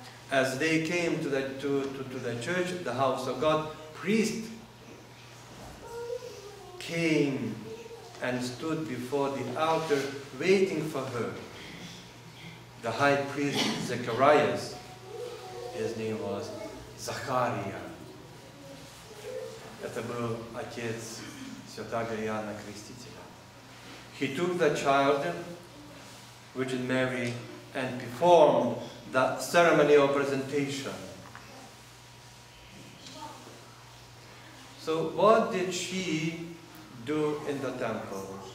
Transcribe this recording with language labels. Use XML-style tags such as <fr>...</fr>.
<en>As they came to the church, the house of God, priest came and stood before the altar waiting for her. The high priest Zacharias, his name was Zachariah.</en> <ru>Это был отец Святаго Иоанна Крестителя.</ru> <en>He took the child, Virgin Mary, and performed the ceremony of presentation. So what did she do in the temple?</en>